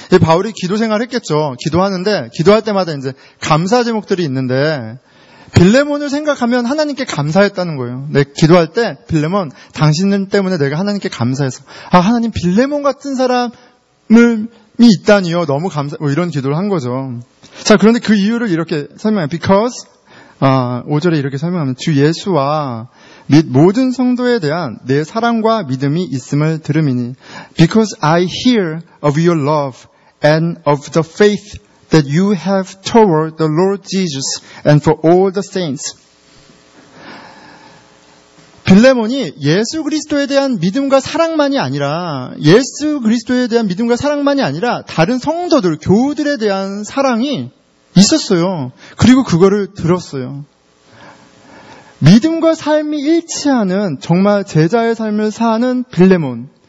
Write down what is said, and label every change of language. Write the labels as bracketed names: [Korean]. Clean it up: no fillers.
[Korean] 예, 바울이 기도 생활을 했겠죠. 기도하는데 기도할 때마다 이제 감사 제목들이 있는데 빌레몬을 생각하면 하나님께 감사했다는 거예요. 내 기도할 때 빌레몬 당신 때문에 내가 하나님께 감사해서 아 하나님 빌레몬 같은 사람을 이 있다니요. 너무 감사, 뭐 이런 기도를 한 거죠. 자, 그런데 그 이유를 이렇게 설명해요. [English] Because, [Korean] 5절에 이렇게 설명하면, 주 예수와 및 모든 성도에 대한 내 사랑과 믿음이 있음을 들음이니, [English] Because I hear of your love and of the faith that you have toward the Lord Jesus and for all the saints. [Korean] 빌레몬이 예수 그리스도에 대한 믿음과 사랑만이 아니라 예수 그리스도에 대한 믿음과 사랑만이 아니라 다른 성도들, 교우들에 대한 사랑이 있었어요. 그리고 그거를 들었어요. 믿음과 삶이 일치하는 정말 제자의 삶을 사는 빌레몬.